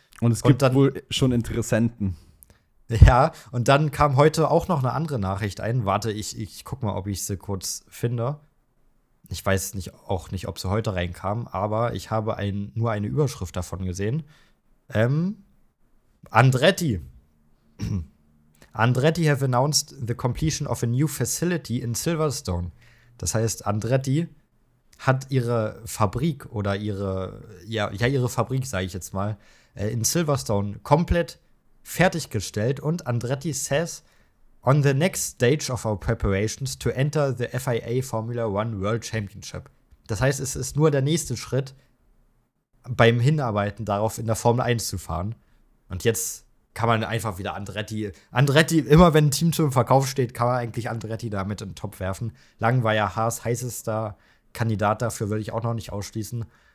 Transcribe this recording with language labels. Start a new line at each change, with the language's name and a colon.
German: Und es gibt und dann, wohl schon Interessenten. Ja, und dann kam heute auch noch eine andere Nachricht ein. Warte, ich guck mal, ob ich sie kurz finde. Ich weiß nicht, auch nicht, ob sie heute reinkam, aber ich habe nur eine Überschrift davon gesehen. Andretti.
English: Andretti have announced the completion of a new facility in Silverstone.
German: Das heißt, Andretti hat ihre Fabrik oder ihre Fabrik, sage ich jetzt mal, in Silverstone komplett fertiggestellt. Und
English: Andretti says, on the next stage of our preparations to enter the FIA Formula One World Championship.
German: Das heißt, es ist nur der nächste Schritt beim Hinarbeiten darauf, in der Formel 1 zu fahren. Und jetzt kann man einfach wieder Andretti, immer wenn ein Team zum Verkauf steht, kann man eigentlich Andretti damit in den Topf werfen. Lang war ja Haas heißester Kandidat, dafür würde ich auch noch nicht ausschließen.